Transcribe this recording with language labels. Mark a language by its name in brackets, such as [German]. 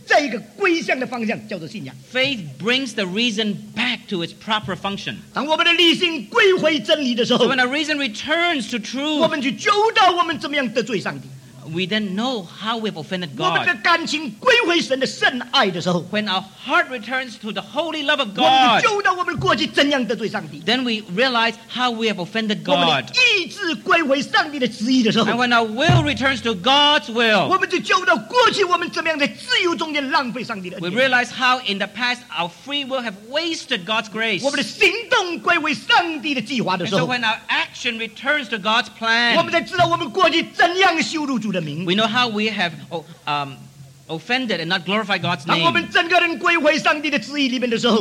[Chinese] 带回真理的正用，在一个归向的方向，叫做信仰。 [English] Faith brings the reason back to its proper function. [Chinese] 当我们的理性归回真理的时候， [English] when our reason returns to truth, [Chinese] 我们就知道我们怎么样得罪上帝。 [English] We then know how we've offended God. [Chinese] 我们的感情归回神的圣爱的时候， [English] when our heart returns to the holy love of God, [Chinese] 我们就知道我们过去怎样得罪上帝。 [English] Then we realize how we have offended God. [Chinese] 我们的意志归回上帝的旨意的时候， [English] and when our will returns to God's will, [Chinese] 我们就知道过去我们怎么样在自由中间浪费上帝的恩典。 [English] We realize how in the past our free will have wasted God's grace. [Chinese] 我们的行动归回上帝的计划的时候， [English] and so when our action returns to God's plan, [Chinese] 我们才知道我们过去怎样羞辱。 [English] We know how we have offended and not glorified God's name. [Chinese] 当我们整个人归回上帝的旨意里面的时候，